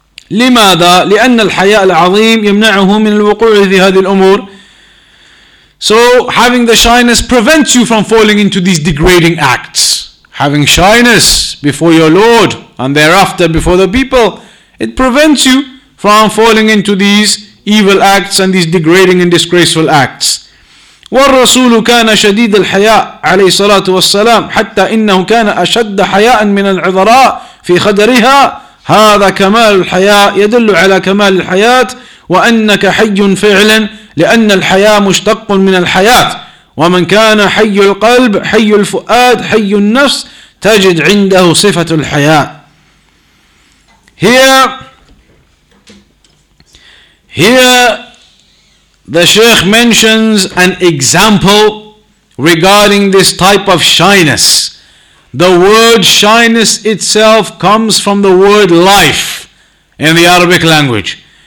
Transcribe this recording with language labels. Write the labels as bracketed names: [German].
[Arabic] لماذا؟ لأن الحياء العظيم يمنعه من الوقوع في هذه الأمور. [English] So having the shyness prevents you from falling into these degrading acts. Having shyness before your Lord and thereafter before the people, it prevents you from falling into these evil acts and these degrading and disgraceful acts. [Arabic] والرسول كان شديد الحياء عليه الصلاة والسلام حتى إنه كان أشد حياء من العذراء في خدرها. هذا كمال الحياة يدل على كمال الحياة وأنك حي فعلا لأن الحياة مشتق من الحياة ومن كان حي القلب حي الفؤاد حي النفس تجد عنده صفة الحياة. [English] Here the Sheikh mentions an example regarding this type of shyness. The word shyness itself comes from the word life in the Arabic language.